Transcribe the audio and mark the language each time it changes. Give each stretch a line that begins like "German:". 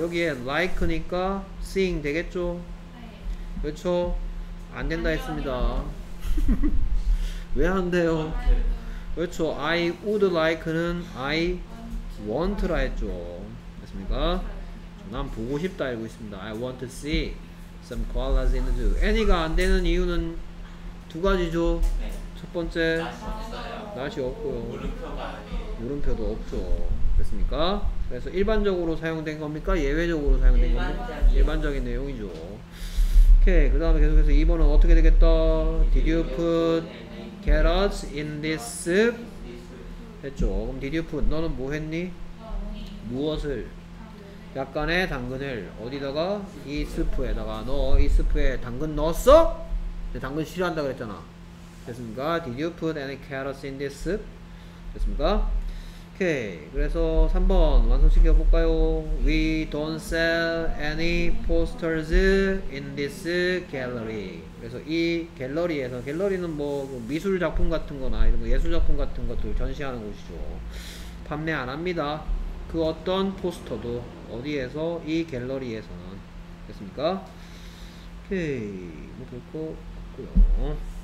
Korean: 여기에 like니까 seeing 되겠죠? 그렇죠? 안 된다 했습니다. 왜 안 돼요? 그렇죠.
English: I would like
Korean: 는
English: I want
Korean: 라 했죠. 됐습니까? 난 보고 싶다 알고 있습니다.
English: I want to see some koalas in the zoo.
Korean: 애니가 안 되는 이유는 두 가지죠. 네. 첫 번째 날씨 없고요. 물음표가 아니에요. 물음표도 없죠. 됐습니까? 그래서 일반적으로 사용된 겁니까? 예외적으로 사용된 일반적이요. 겁니까? 일반적인 내용이죠. 오케이. 그 다음에 계속해서 2번은 어떻게 되겠다?
English: Did you put carrots in this soup?
Korean: 했죠. 그럼
English: did you put?
Korean: 너는 뭐 했니? 무엇을? 약간의 당근을 어디다가? 이 스프에다가 넣어. 이 스프에 당근 넣었어? 근데 당근 싫어한다 그랬잖아. 됐습니까?
English: Did you put any carrots in this soup?
Korean: 됐습니까? 오케이. 그래서 3번 완성시켜볼까요?
English: We don't sell any posters in this gallery.
Korean: 그래서 이 갤러리에서, 갤러리는 뭐 미술 작품 같은 거나 이런 거 예술 작품 같은 것들 전시하는 곳이죠. 판매 안 합니다. 그 어떤 포스터도 어디에서? 이 갤러리에서는. 됐습니까? 오케이. 뭐 될 거 같고요.